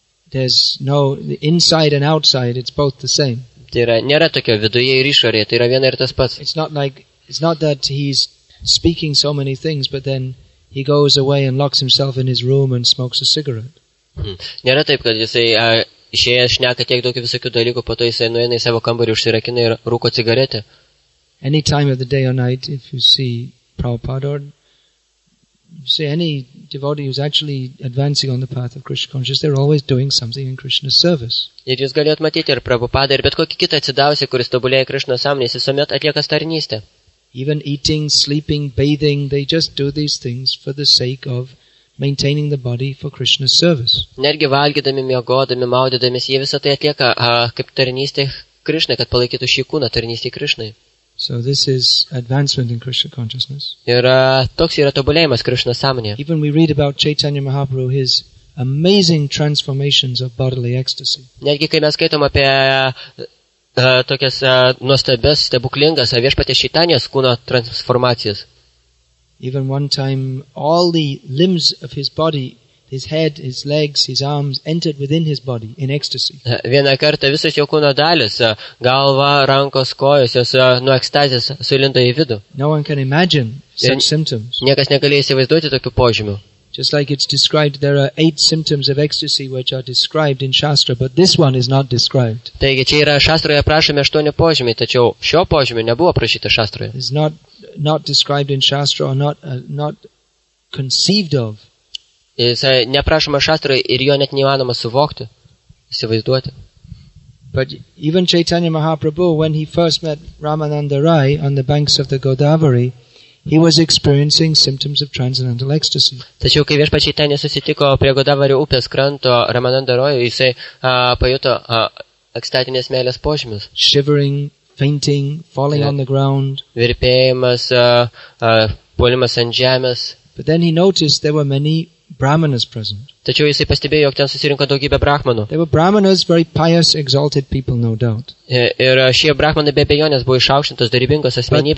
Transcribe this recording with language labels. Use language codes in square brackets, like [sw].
[en] There's no inside and outside, it's both the same. [lt] Tai yra, nėra tokio viduje ir išorėje, tai yra viena ir tas pats. [en] It's not that he's speaking so many things, but then he goes away and locks himself in his room and smokes a cigarette. [lt] Nėra taip, kad jisai išėjo šneka tiek daug visokių dalykų, po to jisai nuėna į savo kambarį, užsirakina ir rūko cigaretę. [en] Any time of the day or night, if you see Prabhupada or see any devotee who's actually advancing on the path of Krishna consciousness, they're always doing something in Krishna's service. [lt] Ir jūs galėjot matyti ir Prabhupada, ir bet kokį kitą atsidavusį, kuris tobulėja Krishna sąmonės, visuomet atlieka tarnystę. [en] Even eating, sleeping, bathing, they just do these things for the sake of maintaining the body for Krishna's service. [lt] Netgi valgydami, miegodami, maudydami, jie visą tai atlieka kaip tarnystė Krishnai, kad palaikytų šį kūną tarnystė Krishnai. [en] So this is advancement in Krishna consciousness. [lt] Ir toks yra tobulėjimas Krishna sąmonėje. [en] Even we read about Chaitanya Mahaprabhu, his amazing transformations of bodily ecstasy. [lt] Netgi kai mes skaitom apie tokias nuostabias, stebuklingas viešpatės Čaitanjos kūno transformacijas. [en] Even one time all the limbs of his body, his head, his legs, his arms entered within his body in ecstasy. [lt] Vieną kartą visos jo kūno dalys, galva, rankos, kojos, jos nuo ekstazės sulindo į vidų. [en] No one can imagine such symptoms. [lt] Niekas negalėjo įsivaizduoti tokių požymių. [en] Just like it's described, there are 8 symptoms of ecstasy which are described in Shastra, but this one is not described. [lt] Taigi, čia yra Šastroje aprašomi 8 požymiai, tačiau šio požymio nebuvo aprašyta Šastroje. [en] It's not described in Shastra or not conceived of. [lt] Jisai neprašoma Šastroje ir jo net neįmanoma suvokti, įsivaizduoti. [en] But even Chaitanya Mahaprabhu, when he first met Ramananda Rai on the banks of the Godavari, he was experiencing symptoms of transcendental ecstasy. [lt] Tačiau kai viešpačiai ten susitiko prie Godavari upės kranto Ramananda Rojo, jisai pajuto ekstatinės meilės požymius. [en] Shivering, fainting, falling on the ground. [lt] Virpėjimas, puolimas ant žemės. [en] But then he noticed there were many brahmanas present. [lt] Tačiau jisai pastebėjo, jog ten susirinko daugybė brahmanų. [en] They were brahmanas, very pious, exalted people, no doubt. [lt] Ir šie brahmanai be abejonės buvo išaukštintos, darybingos asmenybės.